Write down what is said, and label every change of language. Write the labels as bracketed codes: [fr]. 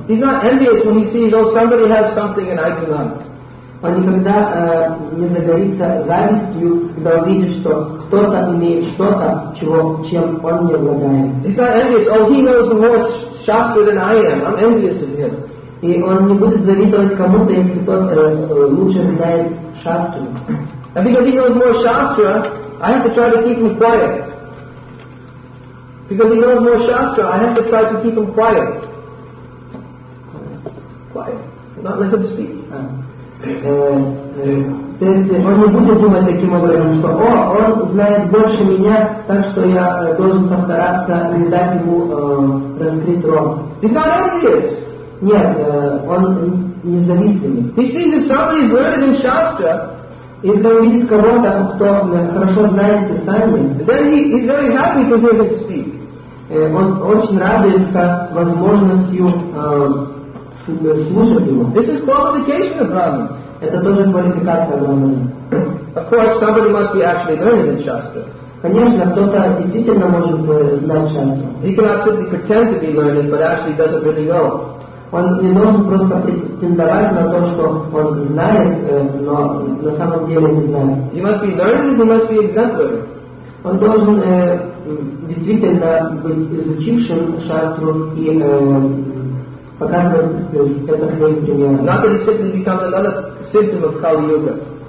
[en] He's not envious when he sees, oh, somebody has something and I do not. [ru] Он никогда не загорится завистью, когда увидит, что кто-то имеет что-то, чем он не обладает. [en] He's not envious, oh, he knows more shastra than I am, I'm envious of him. [ru] И он не будет завидовать кому-то, если тот лучше знает шастру. [en] And because he knows more shastra, I have to try to keep him quiet. Because he knows more shastra, I have to try to keep him quiet. Quiet. Not let him speak. [ru] То есть он не будет думать таким образом, что «О, он знает больше меня, так что я должен постараться не дать ему раскрыть рот». [en] He's not envious. [ru] Нет, он независимый. [en] He sees if somebody is learned in shastra, [ru] если он видит кого-то, кто хорошо знает Писание, [en] then he's very happy to hear him speak. [ru] Он очень радуется возможностью слушать его. [en] This is qualification of brahmin. [ru] Это тоже квалификация брахмана. [en] Of course, somebody must be actually learned in shastra. [ru] Конечно, кто-то действительно может знать шастру. [en] He cannot simply pretend to be learned, but actually doesn't really know. [ru] Он не должен просто претендовать на то, что он знает, но на самом деле не знает. [en] He must be learned, he must be exemplary. [ru] Он должен действительно быть изучившим шастру и показывать это своим примером. [en] Not that a symptom becomes another symptom of Kali-Yuga.